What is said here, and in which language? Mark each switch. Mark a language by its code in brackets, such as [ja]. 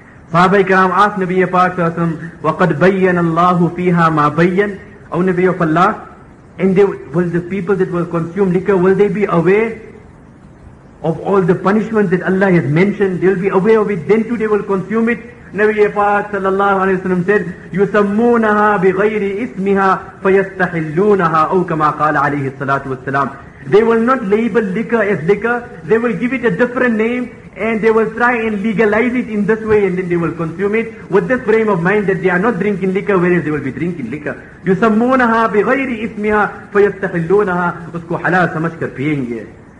[en] Sahaba Ikram asked Nabi Pak Sallam, [ar] وَقَدْ بَيَّنَ اللَّهُ فِيهَا مَا بَيَّنَ. [en] O Nabi of Allah, and they, will the people that will consume liquor, will they be aware of all the punishments that Allah has mentioned? They'll be aware of it, then too they will consume it. [ar] Nabi Pak Sallallahu Alaihi Wasallam said, يُسَمُّونَهَا بِغَيْرِ إِسْمِهَا فَيَسْتَحِلُّونَهَا أَوْ كَمَا قَالَ عَلَيْهِ الصَّلَاةُ وَالسَّلَامُ. [en] They will not label liquor as liquor, they will give it a different name, and they will try and legalize it in this way, and then they will consume it with this frame of mind that they are not drinking liquor, whereas they will be drinking liquor. [ar] يُسَمُّونَهَا بِغَيْرِ إِسْمِهَا فَيَسْتَحِلُّونَهَا [ur] اُسْكُو حَلَىٰ سَمَشْكَرْ پِيَنْگِ.